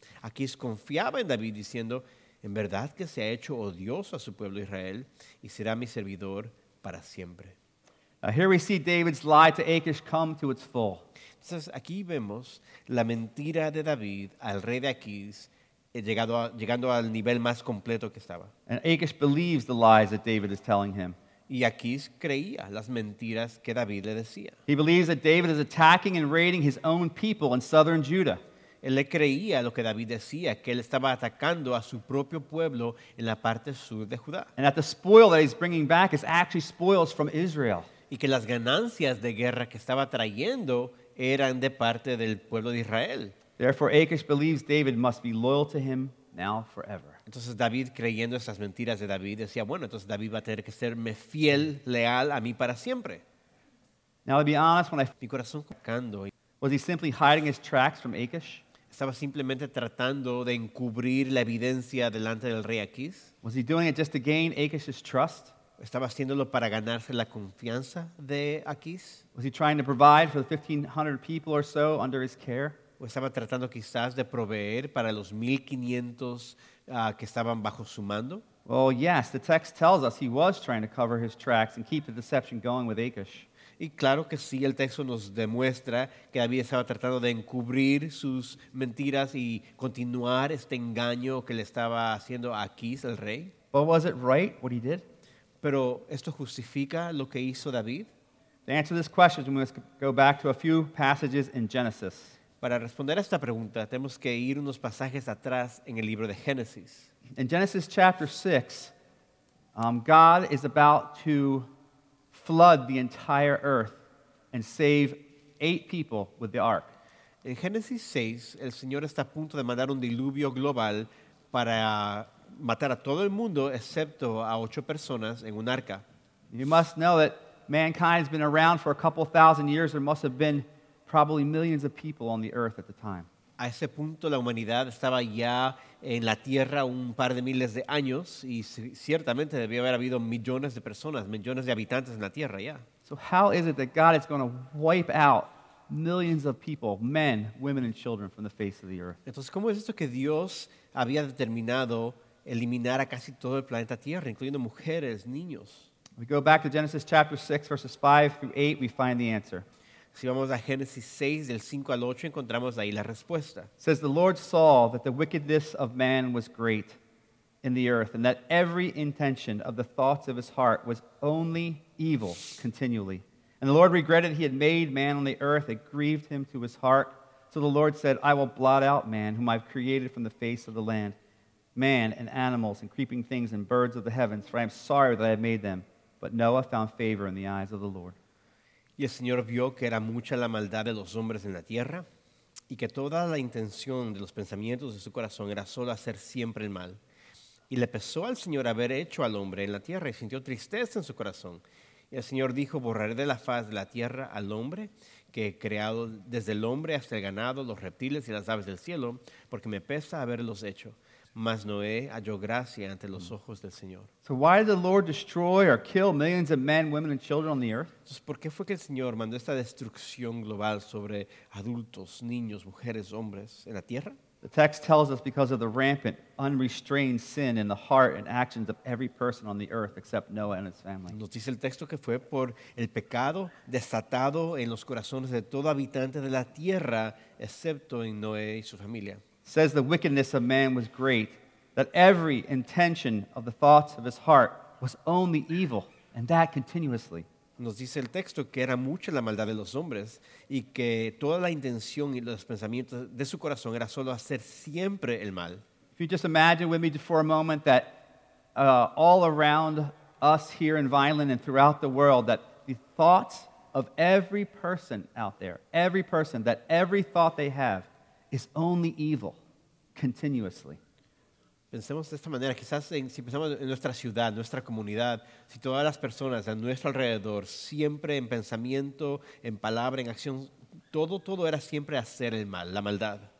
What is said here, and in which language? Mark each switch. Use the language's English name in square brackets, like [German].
[Spanish] Aquis confiaba en David, diciendo, "En verdad que se ha hecho odioso a su pueblo Israel y será mi servidor para siempre." [English] Here we see David's lie to Achish come to its full. [Spanish] Entonces aquí vemos la mentira de David al rey de Aquis, llegando al nivel más completo que estaba. [English] And Achish believes the lies that David is telling him. [Spanish] Y Achish creía las mentiras que David le decía. [English] He believes that David is attacking and raiding his own people in southern Judah. [Spanish] Él le creía lo que David decía, que él estaba atacando a su propio pueblo en la parte sur de Judá. [English] And that the spoil that he's bringing back is actually spoils from Israel. [Spanish] Y que las ganancias de guerra que estaba trayendo eran de parte del pueblo de Israel. [English] Therefore, Achish believes David must be loyal to him now forever. [Spanish] Entonces David, creyendo esas mentiras de David, decía, bueno, entonces David va a tener que serme fiel, leal a mí para siempre. [English] Now, to be honest, when I [Spanish] mi corazón [English] was he simply hiding his tracks from Achish? [Spanish] Estaba simplemente tratando de encubrir la evidencia delante del rey Aquis. [English] Was he doing it just to gain Achish's trust? [Spanish] ¿Estaba haciéndolo para ganarse la confianza de Aquis? [English] Was he trying to provide for the 1500 people or so under his care? [Spanish] ¿O estaba tratando quizás de proveer para los 1500 que estaban bajo su mando? [English] Well, yes, the text tells us he was trying to cover his tracks and keep the deception going with Achish. [Spanish] Y claro que sí, el texto nos demuestra que David estaba tratando de encubrir sus mentiras y continuar este engaño que le estaba haciendo a Aquis, el rey. [English] But was it right what he did? [Spanish] ¿Pero esto justifica lo que hizo David? [English] To answer this question, we must go back to a few passages in Genesis. [Spanish] Para responder a esta pregunta, tenemos que ir unos pasajes atrás en el libro de Génesis. [English] In Genesis chapter 6, God is about to flood the entire earth and save 8 people with the ark. [Spanish] En Génesis 6, el Señor está a punto de mandar un diluvio global para matar a todo el mundo excepto a 8 personas en un arca. [English] You must know that mankind has been around for a couple thousand years. There must have been probably millions of people on the earth at the time. [Spanish] A ese punto la humanidad estaba ya en la tierra un par de miles de años y ciertamente debió haber habido millones de personas, millones de habitantes en la tierra ya. [English] So how is it that God is going to wipe out millions of people, men, women and children from the face of the earth? [Spanish] Entonces, ¿cómo es esto que Dios había determinado eliminar a casi todo el planeta Tierra, incluyendo mujeres, niños? [English] We go back to Genesis chapter 6 verses 5 through 8, we find the answer. [Spanish] Si vamos a Génesis 6, del 5 al 8, encontramos ahí la respuesta. [English] It says, the Lord saw that the wickedness of man was great in the earth, and that every intention of the thoughts of his heart was only evil continually. And the Lord regretted he had made man on the earth. It grieved him to his heart. So the Lord said, I will blot out man, whom I have created from the face of the land, man and animals and creeping things and birds of the heavens, for I am sorry that I have made them. But Noah found favor in the eyes of the Lord. [Spanish] Y el Señor vio que era mucha la maldad de los hombres en la tierra y que toda la intención de los pensamientos de su corazón era solo hacer siempre el mal. Y le pesó al Señor haber hecho al hombre en la tierra y sintió tristeza en su corazón. Y el Señor dijo, borraré de la faz de la tierra al hombre que he creado desde el hombre hasta el ganado, los reptiles y las aves del cielo, porque me pesa haberlos hecho. Mas Noé halló gracia ante los ojos del Señor. [English] So why did the Lord destroy or kill millions of men, women, and children on the earth? [Spanish] ¿Por qué fue que el Señor mandó esta destrucción global sobre adultos, niños, mujeres, hombres en la tierra? [English] The text tells us because of the rampant, unrestrained sin in the heart and actions of every person on the earth except Noah and his family. [Spanish] Nos dice el texto que fue por el pecado desatado en los corazones de todo habitante de la tierra excepto en Noé y su familia. [English] Says the wickedness of man was great, that every intention of the thoughts of his heart was only evil, and that continuously. [Spanish] Nos dice el texto que era mucha la maldad de los hombres y que toda la intención y los pensamientos de su corazón era solo hacer siempre el mal. [English] If you just imagine with me for a moment that all around us here in Vineland and throughout the world, that the thoughts of every person out there, every person, that every thought they have is only evil, continuously. [Spanish] Pensemos de esta manera, quizás si pensamos en nuestra ciudad, nuestra comunidad, si todas las personas a nuestro alrededor, siempre en pensamiento, en palabra, en acción, todo era siempre hacer el mal, la maldad.